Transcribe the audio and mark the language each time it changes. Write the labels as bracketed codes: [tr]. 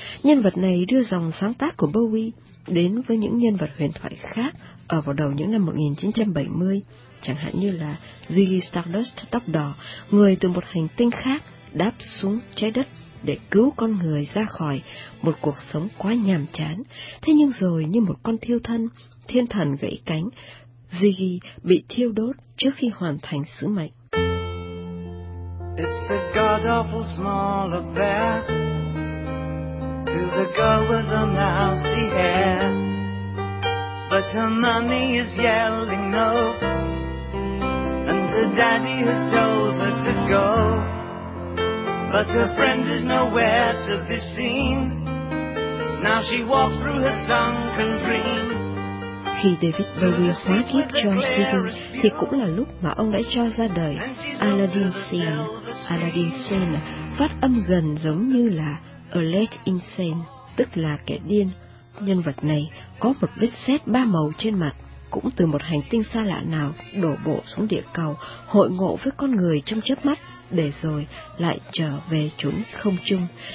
[vi] Nhân vật này đưa dòng sáng tác của Bowie đến với những nhân vật huyền thoại khác ở vào đầu những năm 1970, chẳng hạn như là Ziggy Stardust tóc đỏ, người từ một hành tinh khác đáp xuống trái đất để cứu con người ra khỏi một cuộc sống quá nhàm chán. Thế nhưng rồi, như một con thiêu thân, thiên thần gãy cánh, Ziggy bị thiêu đốt trước khi hoàn thành sứ mệnh. [en] It's a god-awful small affair to the girl with the mousy hair, but her mummy is yelling no, and her daddy has told her to go, but her friend is nowhere to be seen. Now she walks through her sunken dream. [vi] Khi David Bowie hóa kiếp cho Ziggy thì cũng là lúc mà ông đã cho ra đời Aladdin Sane. Aladdin Sane phát âm gần giống như là A Late Insane, tức là kẻ điên, nhân vật này có một vết sét ba màu trên mặt, cũng từ một hành tinh xa lạ nào đổ bộ xuống địa cầu, hội ngộ với con người trong chớp mắt, để rồi lại trở về chốn không trung.